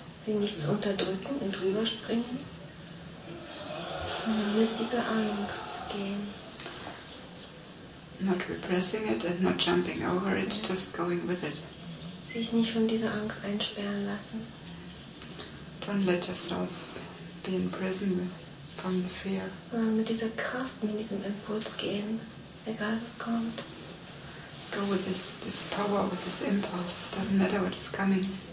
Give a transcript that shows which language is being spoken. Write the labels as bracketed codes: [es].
[de] Sie nicht zu unterdrücken und rüberspringen, sondern mit dieser Angst gehen. [en] Not repressing it and not jumping over it, just going with it. [de] Sich nicht von dieser Angst einsperren lassen. [en] Don't let yourself be in prison from the fear. [de] Sondern mit dieser Kraft, mit diesem Impuls gehen, egal was kommt. [en] Go with this power, with this impulse, doesn't matter what is coming.